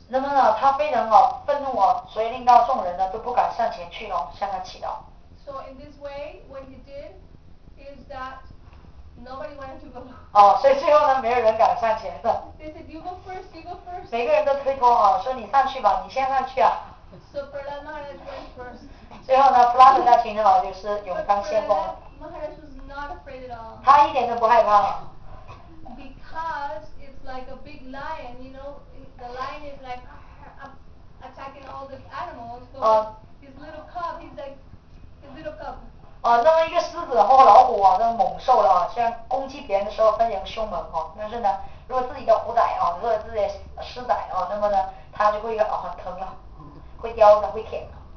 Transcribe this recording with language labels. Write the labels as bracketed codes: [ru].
[zh] 那么呢，他非常哦愤怒啊，所以令到众人呢都不敢上前去哦向他祈祷。 [en] So in this way, what he did is that nobody wanted to go. [zh] 哦，所以最后呢，没有人敢上前了。 [en] They said, "You go first, you go first." [zh] 每个人都推脱啊，说你上去吧，你先上去啊。 [en] So Prahlad Maharaj went first. [zh] 最后呢，普拉德大君呢，就是勇当先锋。 [en] Maharaj was not afraid at all. [zh] 他一点都不害怕。 [en] Because it's like a big lion, you know, the lion is like attacking all the animals, so his little cub, he's like his little cub. [zh] 啊，那么一个狮子或老虎啊，这个猛兽了啊，虽然攻击别人的时候非常凶猛啊，但是呢，如果自己的虎仔啊，如果自己的狮仔啊，那么呢，它就会啊很疼啊，会叼的，会舔的。